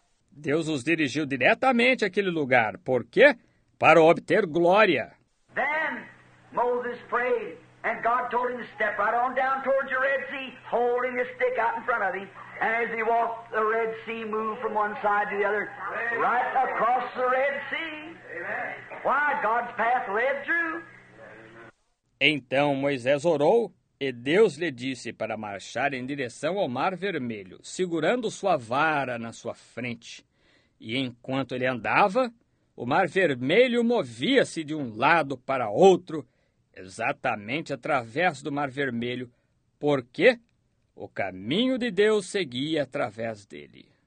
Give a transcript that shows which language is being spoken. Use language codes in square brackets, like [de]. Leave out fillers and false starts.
[pt] Deus os dirigiu diretamente àquele lugar. Por quê? Para obter glória. [en] Then Moses prayed, and God told him to step right on down towards the Red Sea, holding a stick out in front of him. And as he walked, the Red Sea moved from one side to the other, right across the Red Sea. Amen. Why? God's path led through. [pt] Então Moisés orou, e Deus lhe disse para marchar em direção ao Mar Vermelho, segurando sua vara na sua frente. E enquanto ele andava, o Mar Vermelho movia-se de um lado para outro, exatamente através do Mar Vermelho, porque o caminho de Deus seguia através dele.